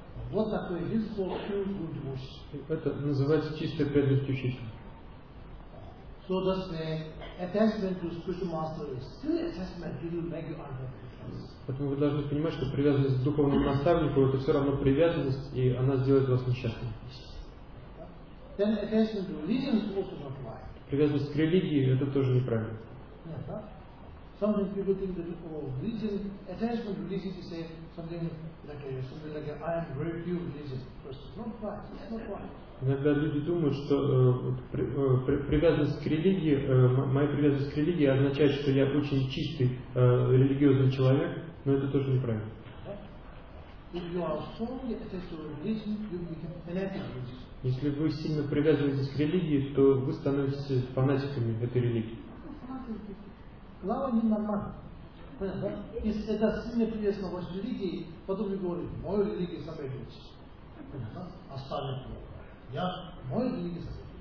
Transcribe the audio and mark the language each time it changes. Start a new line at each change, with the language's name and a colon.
Russian: Вот такое единство будет. Это называется чистая преданность учителя.
English: So that's the attachment to spiritual master is still attachment to you make you unhappy.
Russian: Поэтому вы должны понимать, что привязанность к духовному наставнику это все равно привязанность, и она сделает вас несчастным.
English: Then attachment to religion is also not right.
Russian: Привязанность к религии это тоже неправильно.
English: Yeah, Sometimes people think that religion, attachment to religion is something like a I am very pure religion. First, not right.
Russian: Иногда люди думают, что привязанность к религии, моя привязанность к религии означает, что я очень чистый религиозный человек, но это тоже неправильно.
English: If you are strongly attached to religion, you become fanatic religion.
Russian: Если вы сильно привязываетесь к религии, то вы становитесь фанатиками этой религии. Глава не нормально. Понятно, да? Если это сильно привязано к вашей религии, потом вы говорите, мою религию соблюдайте. Понятно? Я мою религию соблюдайте.